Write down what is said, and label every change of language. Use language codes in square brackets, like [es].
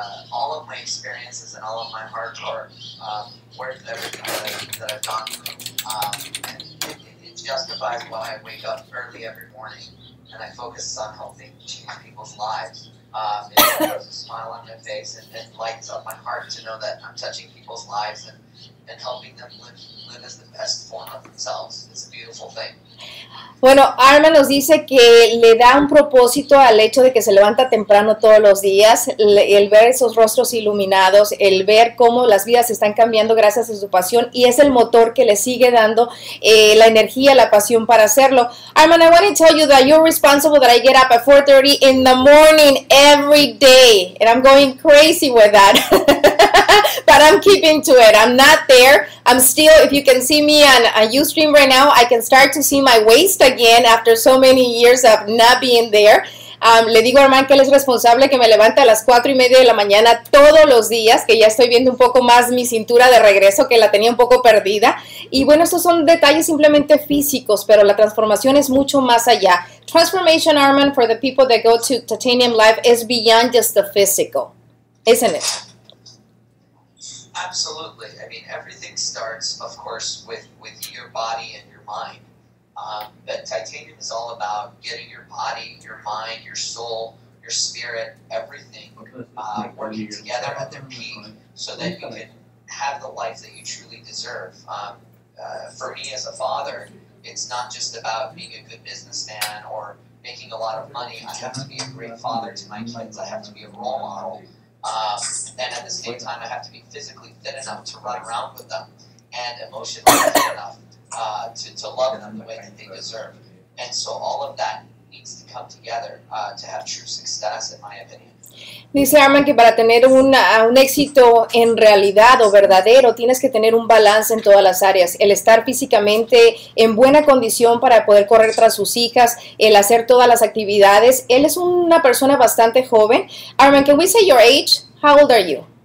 [en] All of my experiences and all of my hard work, worth everything that I've gone through, and it justifies why I wake up early every morning and I focus on helping change people's lives. It puts a smile on my face and lights up my heart to know that I'm touching people's lives and helping them live as the best form of themselves. It's a beautiful thing. [es] Bueno, Armand nos dice que le da un propósito al hecho de que se levanta temprano todos los días, el ver esos rostros iluminados, el ver cómo las vidas están cambiando gracias a su pasión y es el motor que le sigue dando la energía, la pasión para hacerlo. [en] Armand, I want to tell you that you're responsible that I get up at 4:30 in the morning every day and I'm going crazy with that. But I'm keeping to it. I'm not there. I'm still, if you can see me on a Ustream right now, I can start to see my waist again after so many years of not being there. [es] Le digo a Armand que él es responsable que me levante a las 4:30 de la mañana todos los días, que ya estoy viendo un poco más mi cintura de regreso, que la tenía un poco perdida. Y bueno, estos son detalles simplemente físicos, pero la transformación es mucho más allá. [en] Transformation, Armand, for the people that go to Titanium Life is beyond just the physical, isn't it? Absolutely. I mean, everything starts, of course, with your body and your mind. But Titanium is all about getting your body, your mind, your soul, your spirit, everything working together at their peak so that you can have the life that you truly deserve. For me as a father, it's not just about being a good businessman or making a lot of money. I have to be a great father to my kids. I have to be a role model. And at the same time, I have to be physically fit enough to run around with them and emotionally fit enough to love them the way that they deserve. And so all of that needs to come together to have true success, in my opinion. [es] Dice Armand que para tener un éxito en realidad o verdadero, tienes que tener un balance en todas las áreas. El estar físicamente en buena condición para poder correr tras sus hijas, el hacer todas las actividades. Él es una persona bastante joven. [en] Armand, can we say your age? How old are you?